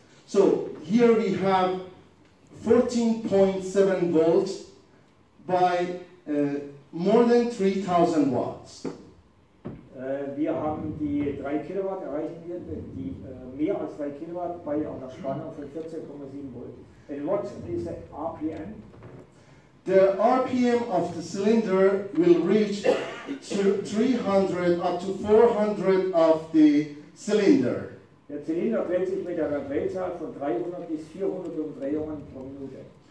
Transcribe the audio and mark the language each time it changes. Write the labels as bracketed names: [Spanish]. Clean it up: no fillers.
[English] So here we have 14.7 volts by more than 3000 watts. [German] Wir haben die 3 Kilowatt erreichen wir die mehr als 3 Kilowatt bei einer Spannung von 14,7 Volt. [English] And what is the RPM? The RPM of the cylinder will reach to 300 up to 400 of the cylinder. [German] Der Zylinder dreht sich mit einer Drehzahl von 300 bis 400 Umdrehungen pro Minute.